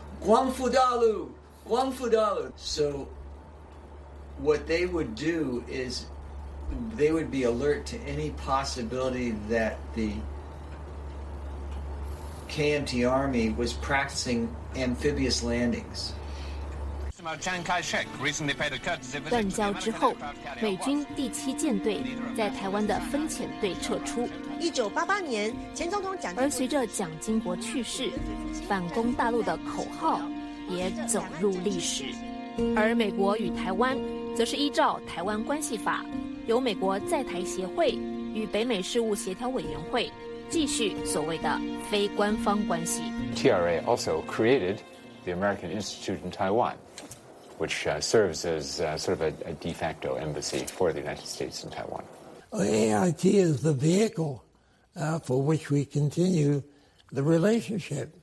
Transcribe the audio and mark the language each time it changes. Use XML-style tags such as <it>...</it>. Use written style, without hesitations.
<zh>Guangfudalu! Guangfudalu!</zh> <en>So what they would do is they would be alert to any possibility that the KMT army was practicing amphibious landings.</en> <zh>断交之后，美军第七舰队在台湾的分遣队撤出。 1988年，前总统蒋而随着蒋经国去世，反攻大陆的口号也走入历史。而美国与台湾，则是依照《台湾关系法》，由美国在台协会与北美事务协调委员会继续所谓的非官方关系。</zh> <en>TRA also created the American Institute in Taiwan. Which serves as sort of a de facto embassy for the United States in Taiwan. AIT is the vehicle for which we continue the relationship.</en>